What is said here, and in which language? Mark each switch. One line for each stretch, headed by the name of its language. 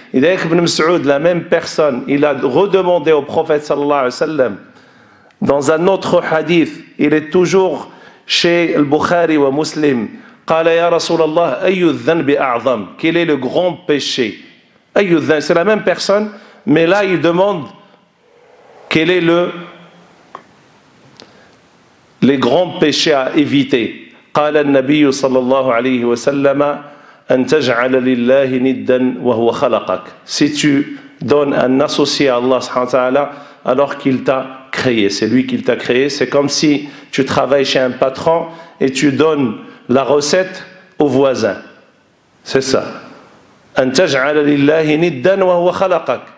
French: Et d'ailleurs, Ibn Mas'ud, la même personne, il a redemandé au prophète sallallahu alayhi wa sallam, dans un autre hadith, il est toujours chez le Bukhari ou Muslim, «
Arabic: Qala ya Rasulallah, ayyu dhanbi a'zam
French: » Quel est le grand péché? C'est la même personne, mais là il demande quel est les grands péchés à éviter.
Arabic: قال النبي صلى الله عليه وسلم أن تجعل لله ندا وهو خلقك.
French: Si tu donnes un associé à Allah subhanahu wa ta'ala alors qu'il t'a créé, c'est lui qui t'a créé. C'est comme si tu travailles chez un patron et tu donnes la recette au voisin. C'est ça.
Arabic: أن تجعل لله ندا وهو خلقك.